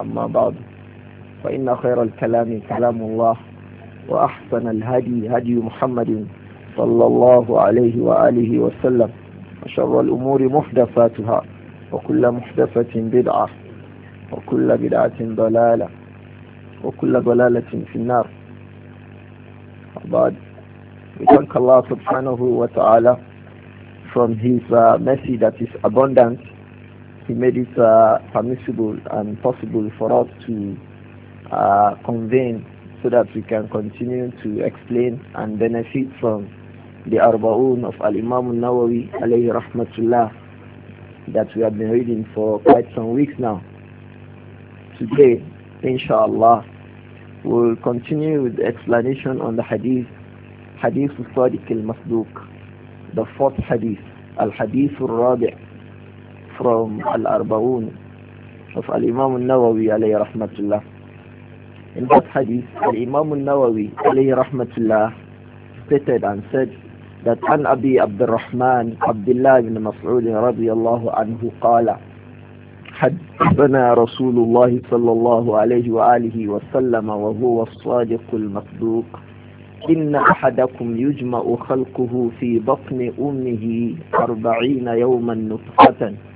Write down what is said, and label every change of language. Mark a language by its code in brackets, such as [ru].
[ar] أما بعد، فإن خير الكلام كلام الله وأحسن الهدي هدي محمد صلى الله عليه وآله وسلم، وشر الأمور محدثاتها وكل محدثة بدعة وكل بدعة ضلالة وكل ضلالة في النار. [en] بعد، we thank Allah subhanahu wa ta'ala from his mercy that is abundant. He made it permissible and possible for us to convene so that we can continue to explain and benefit from the Arba'un of Al-Imam al-Nawawi alayhi rahmatullah that we have been reading for quite some weeks now. Today, inshallah, we'll continue with the explanation on the hadith, Hadith al-Sadiq al-Masduq, the fourth hadith, Al-Hadith al-Rabi' from Al-Arba'un of Al-Imam al-Nawawi alayhi rahmatullah. In that hadith, Al-Imam al-Nawawi alayhi rahmatullah stated and said that an Abi Abdurrahman Abdullah ibn Mas'ud radiyallahu anhu qala [ar] حدثنا رسول الله صلى الله عليه وآله وسلم وهو الصادق المصدوق إن أحدكم يجمع خلقه في بطن أمه 40 يوما نطفة